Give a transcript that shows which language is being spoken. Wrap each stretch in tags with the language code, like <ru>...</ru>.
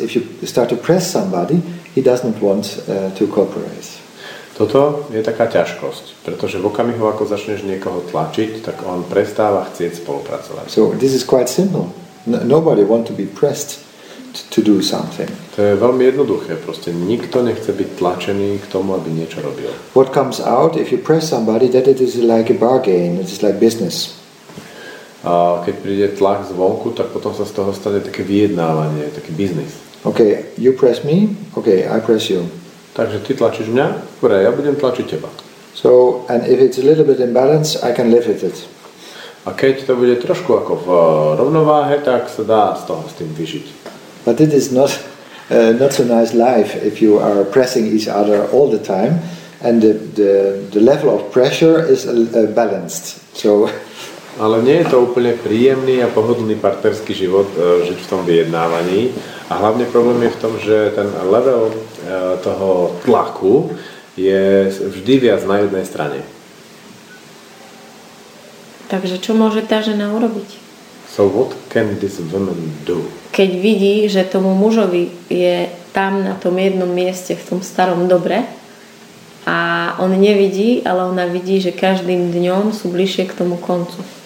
<en>If you start to press somebody, he doesn't want to cooperate.</en> <sk>Toto je taká ťažkosť, pretože v okamihu, ako začneš niekoho tlačiť, tak on prestáva chcieť spolupracovať.</sk> <en>So this is quite simple. Nobody want to be pressed to do something.</en> <sk>To je veľmi jednoduché, proste nikto nechce byť tlačený k tomu, aby niečo robil.</sk> <en>What comes out if you press somebody, that it is like a bargain, it is like business.</en> <sk>A keď príde tlak zvonku, tak potom sa z toho stane také vyjednávanie, taký biznis.</sk> <en>Okay, you press me, okay, I press you.</en> <sk>Takže ty tlačíš mňa, dobre, ja budem tlačiť teba.</sk> <en>So, and if it's a little bit in balance, I can live with it.</en> <sk>A keď to bude trošku ako v rovnováhe, tak sa dá z toho s tým vyžiť.</sk> <en>But it is not so nice life if you are pressing each other all the time and the level of pressure is balanced. So.</en> <sk>Ale nie je to úplne príjemný a pohodlný partnerský život žiť v tom vyjednávaní. A hlavne problém je v tom, že ten level toho tlaku je vždy viac na jednej strane. Takže čo môže tá žena urobiť?</sk> <en>So what can this woman do?</en> <sk>Keď vidí, že tomu mužovi je tam na tom jednom mieste v tom starom dobre a on nevidí, ale ona vidí, že každým dňom sú bližšie k tomu koncu.</sk>